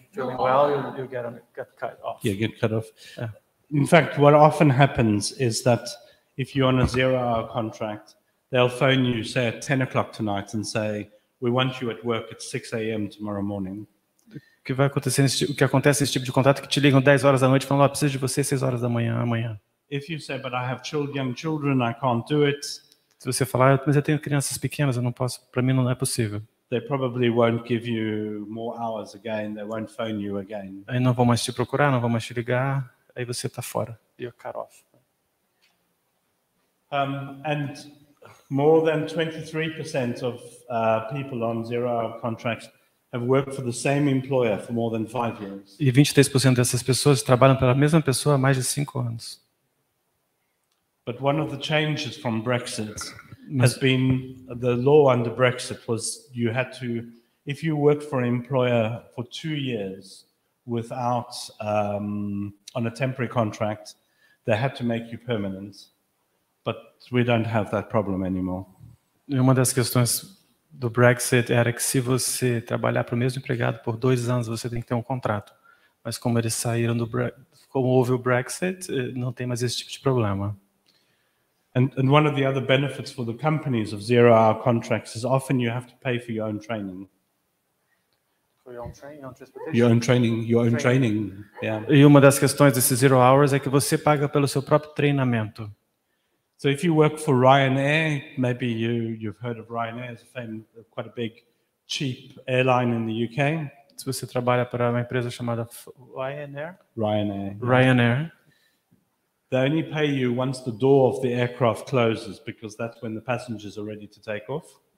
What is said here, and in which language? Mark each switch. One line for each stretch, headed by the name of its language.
English: Yeah, if you don't say you're feeling well, you get cut off. Yeah, get cut off. In fact, what often happens is that if you're on a zero-hour contract, they'll phone you, say, at 10 o'clock tonight and say, we want you at work at 6 a.m. tomorrow morning.
Portuguese: O que acontece nesse tipo de contrato é que te ligam 10 horas da noite falando, oh, preciso de você 6 horas da manhã, amanhã.
English: If you say, but I have young children, I can't do it.
Portuguese: Se você falar, mas eu tenho crianças pequenas, eu não posso, para mim não é possível.
English: They probably won't give you more hours again. They won't phone you again.
Portuguese: Aí não vão mais te procurar, não vão mais te ligar. Aí você está fora.
English: You're cut off. And more than 23% of people on zero-hour contracts have worked for the same employer for more than 5 years.
Portuguese: E 23% dessas pessoas trabalham pela mesma pessoa há mais de 5 anos.
English: But one of the changes from Brexit has been the law under Brexit was you had to, if you worked for an employer for 2 years without on a temporary contract, they had to make you permanent. But we don't have that problem anymore.
Portuguese: Uma das questões do Brexit era que se você trabalhar para o mesmo empregado por 2 anos, você tem que ter um contrato. Mas como eles saíram do como houve o Brexit, não tem mais esse tipo de problema.
English: And one of the other benefits for the companies of zero-hour contracts is often you have to pay for your own training. For your own training, your own transportation. Your own training, yeah.
Portuguese: E uma das questões desses zero hours é que você paga pelo seu próprio treinamento.
English: So if you work for Ryanair, maybe you've heard of Ryanair, it's a famous, quite a big, cheap airline in the UK.
Portuguese: Se você trabalha para uma empresa chamada Ryanair.
English: Ryanair. Yeah. Ryanair. They only pay you once the door of the aircraft closes, because that's when the passengers are ready to take off.